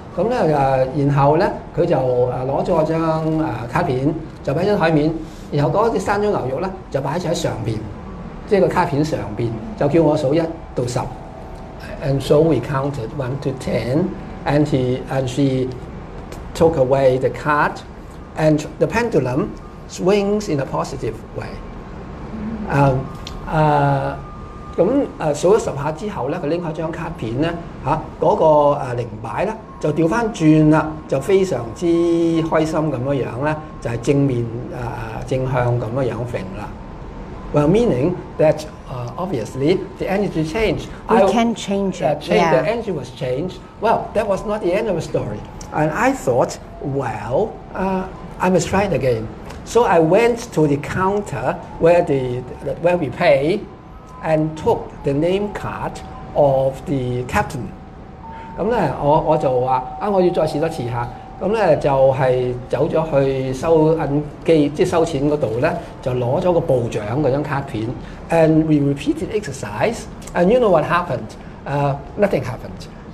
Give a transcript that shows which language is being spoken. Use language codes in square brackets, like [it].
[yue] 咁咧，然後咧，佢就攞咗張卡片，就擺喺台面，然後嗰啲山中牛肉咧，就擺喺上邊，即係個卡片上邊，就叫我數一到十。 [en] And so we counted 1 to 10, and she took away the card, and the pendulum swings in a positive way. [yue] 數咗十下之後咧，佢拎開張卡片咧，靈擺咧就調翻轉啦，就非常之開心咁樣樣咧，就係正面正向咁樣樣揈啦。 [en] Well, meaning that obviously the energy changed. We can change it. The energy was changed. Well, that was not the end of the story. And I thought, well, I must try it again. So I went to the counter where we pay. And took the name card of the captain. [yue] 咁咧，我就話啊，我要再試多次嚇。咁咧就係走咗去收銀機，即係收錢嗰度咧，就攞咗個部長嗰張卡片。 [en] And we repeated exercise. And you know what happened? Nothing happened.